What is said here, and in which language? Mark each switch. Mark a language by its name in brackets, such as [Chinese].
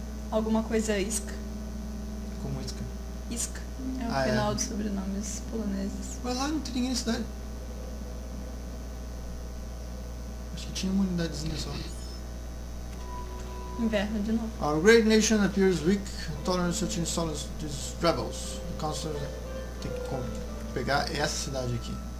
[Portuguese] Alguma coisa é Iska. Como Iska? Iska. É o final dos sobrenomes poloneses. Olha lá, não tem ninguém na cidade. Acho que tinha uma unidadezinha só. Inverno de novo. [English] Our great nation appears weak, tolerant such insolence to these rebels. [Portuguese] Counselor tem que pegar essa cidade aqui.